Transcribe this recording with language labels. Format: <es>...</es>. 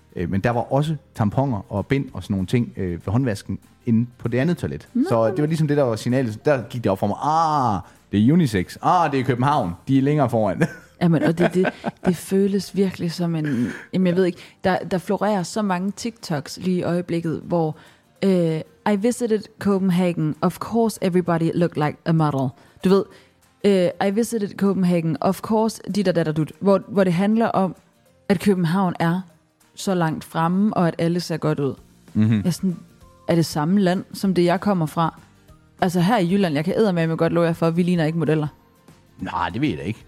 <da>Men der var også tamponer og bind og sådan nogle ting ved håndvasken inde på det andet toilet. Nå. Så det var ligesom det, der var signalet. Der gik det op for mig. Ah, det er unisex. Ah, det er København. De er længere foran. Jamen, og det føles virkelig som en... Jamen, jeg ved ikke. Der florerer så mange TikToks lige i øjeblikket, hvor...</da> <en>I visited Copenhagen. Of course everybody looked like a model.</en> <da>Du ved,</da> <en>I visited Copenhagen. Of course,</en> <da>dit og dat og dut. Hvor det handler om, at København er... så langt fremme, og at alle ser godt ud. Mm-hmm. Jeg er sådan, er det samme land, som det, jeg kommer fra? Altså her i Jylland, jeg kan eddermame godt love jer for, at vi ligner ikke modeller. Nej, det ved jeg da ikke.</da>